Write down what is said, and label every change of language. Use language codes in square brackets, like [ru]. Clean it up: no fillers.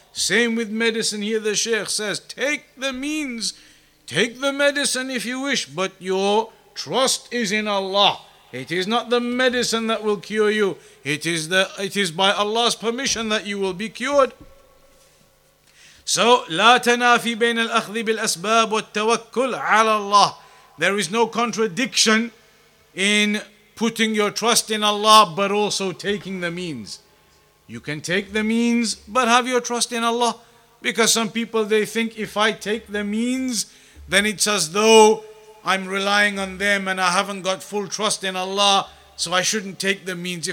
[en] Same with medicine. Here the Shaykh says, take the means, take the medicine if you wish, but your trust is in Allah. It is not the medicine that will cure you. It is by Allah's permission that you will be cured. So, [ar] لا تنافي بين الأخذ بالأسباب والتوكل على الله. [en] There is no contradiction in putting your trust in Allah, but also taking the means. You can take the means, but have your trust in Allah. Because some people, they think, if I take the means, then it's as though I'm relying on them and I haven't got full trust in Allah, so I shouldn't take the means.